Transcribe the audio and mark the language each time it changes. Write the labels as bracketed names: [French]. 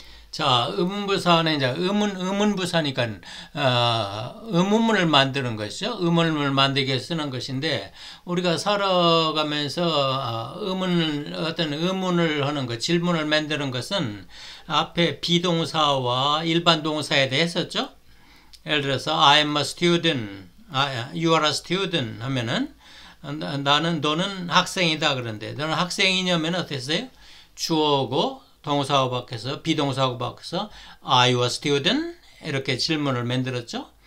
[Korean] 자, 의문부사는 이제 의문부사니까 의문문을 만드는 것이죠. 의문문을 만들기 위해서 쓰는 것인데, 우리가 살아가면서 어떤 의문을 하는 것, 질문을 만드는 것은 앞에 비동사와 일반 동사에 대해 했었죠. 예를 들어서 [English] I am a student, you are a student [Korean] 하면은 너는 학생이다. 그런데 너는 학생이냐면 어땠어요? 주어고 동사하고 바뀌어서 비동사하고 바뀌어서 [English] I was student [Korean] 이렇게 질문을 만들었죠.